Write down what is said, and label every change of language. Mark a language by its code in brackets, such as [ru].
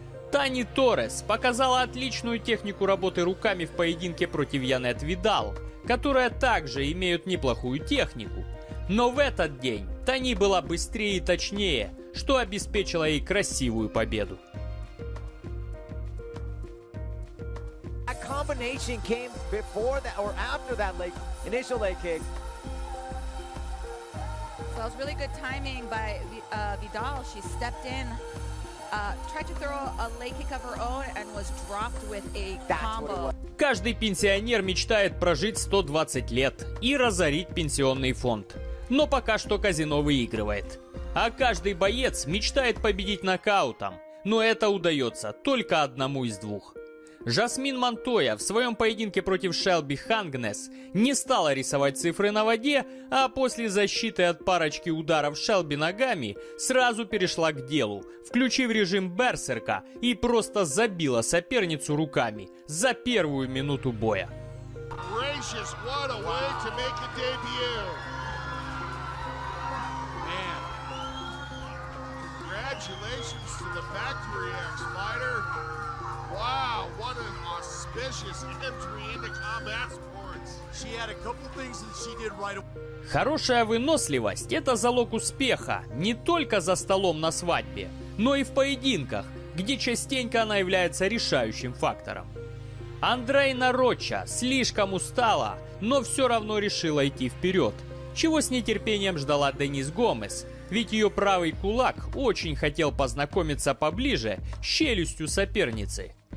[ru] Тани Торрес показала отличную технику работы руками в поединке против Янет Видал, которая также имеет неплохую технику. Но в этот день Тани была быстрее и точнее, что обеспечило ей красивую победу. [en] Combination came before that or after that leg, initial leg kick. So that was really good timing by Vidal. She stepped in, tried to throw a leg kick of her own and was dropped with a combo. [ru] Каждый пенсионер мечтает прожить 120 лет и разорить пенсионный фонд. Но пока что казино выигрывает. А каждый боец мечтает победить нокаутом. Но это удается только одному из двух. Жасмин Монтойя в своем поединке против Шелби Хангнес не стала рисовать цифры на воде, а после защиты от парочки ударов Шелби ногами сразу перешла к делу, включив режим берсерка и просто забила соперницу руками за первую минуту боя. [en] Gracious, what a way to make a debut. Man. Congratulations to the Factory X fighter. Wow, what an auspicious entry into combat sports. She had a couple things that she did right away. [ru] Хорошая выносливость – это залог успеха не только за столом на свадьбе, но и в поединках, где частенько она является решающим фактором. Андрейна Роча слишком устала, но все равно решила идти вперед, чего с нетерпением ждала Денис Гомес, ведь ее правый кулак очень хотел познакомиться поближе с челюстью соперницы.